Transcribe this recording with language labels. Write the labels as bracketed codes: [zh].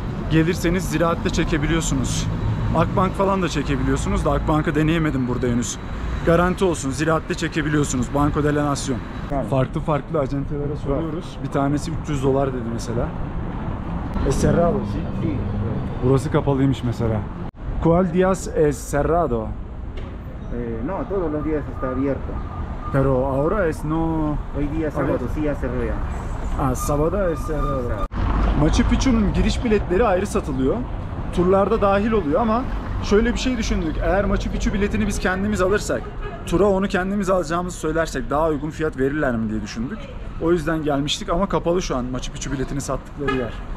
[tr] Gelirseniz ziraatte çekebiliyorsunuz. Akbank falan da çekebiliyorsunuz da Akbank'ı deneyemedim burada henüz. Garanti olsun, ziraatli çekebiliyorsunuz. Banco de la Nación. Yani. Farklı farklı acentelere soruyoruz. Bir tanesi 300 dolar dedi mesela. [es] Cerrado. [tr] Burası kapalıymış mesela. [es] ¿Cuál días es cerrado? No, todos los días está abierto. Pero ahora es no... Hoy día sábado, sí ya cerró ya. Ah, sábado es cerrado. [tr] Machu Picchu'nun giriş biletleri ayrı satılıyor. Turlarda dahil oluyor ama şöyle bir şey düşündük. Eğer Machu Picchu biletini biz kendimiz alırsak, tura onu kendimiz alacağımızı söylersek daha uygun fiyat verirler mi diye düşündük. O yüzden gelmiştik ama kapalı şu an Machu Picchu biletini sattıkları yer.